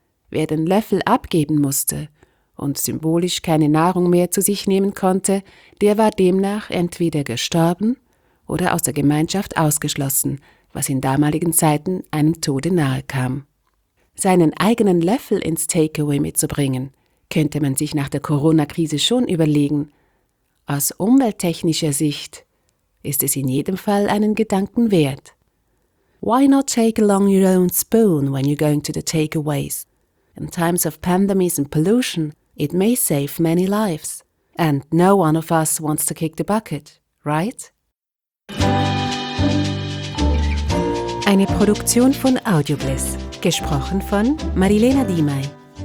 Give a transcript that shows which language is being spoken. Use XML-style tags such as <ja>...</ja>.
<de>Wer den Löffel abgeben musste und symbolisch keine Nahrung mehr zu sich nehmen konnte, der war demnach entweder gestorben oder aus der Gemeinschaft ausgeschlossen, was in damaligen Zeiten einem Tode nahe kam. Seinen eigenen Löffel ins Takeaway mitzubringen, könnte man sich nach der Corona-Krise schon überlegen. Aus umwelttechnischer Sicht ist es in jedem Fall einen Gedanken wert.</de> <en>Why not take along your own spoon when you're going to the takeaways? In times of pandemies and pollution, it may save many lives. And no one of us wants to kick the bucket, right?</en> <de>Eine Produktion von Audiobliss, gesprochen von Marilena Diemey.</de>